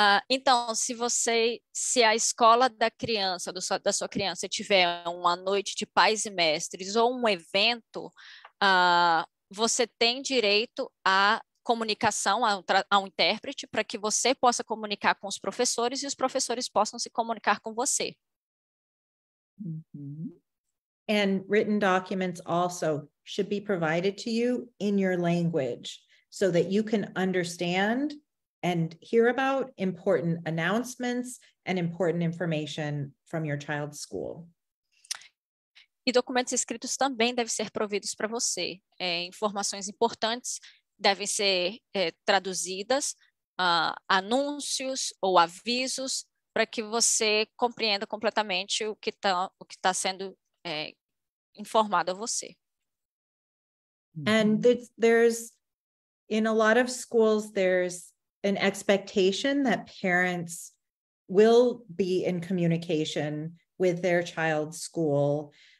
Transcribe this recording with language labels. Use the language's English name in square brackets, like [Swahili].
[Portuguese] Então, se a escola da criança, da sua criança, tiver uma noite de pais e mestres ou um evento, você tem direito à comunicação, a um intérprete, para que você possa comunicar com os professores e os professores possam se comunicar com você. Uhum. [English] And written documents also should be provided to you in your language, so that you can understand and hear about important announcements and important information from your child's school. [Portuguese] E documentos escritos também devem ser providos para você. Informações importantes devem ser traduzidas, anúncios ou avisos, para que você compreenda completamente o que está sendo informado a você. [English] And there's, in a lot of schools, there's an expectation that parents will be in communication with their child's school.